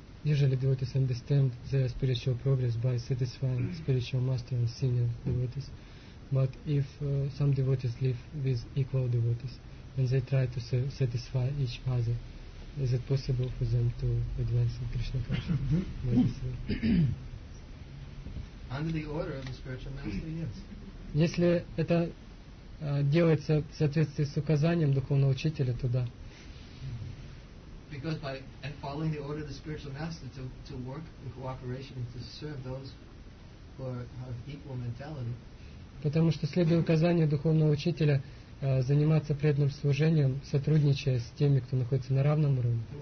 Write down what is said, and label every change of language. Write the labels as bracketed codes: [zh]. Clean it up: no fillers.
[en] Usually devotees understand their spiritual progress by satisfying spiritual master and senior devotees. But if some devotees live with equal devotees and they try to satisfy each other, Is it possible for them to advance in Krishna consciousness? Under the order of the spiritual master, yes. [ru] Если это делается в соответствии с указанием духовного учителя, то да. [en] Because by and following the order of the spiritual master to work in cooperation and to serve those who have equal mentality. [ru] Потому что следуя указанию духовного учителя, заниматься преданным служением, сотрудничая с теми, кто находится на равном уровне.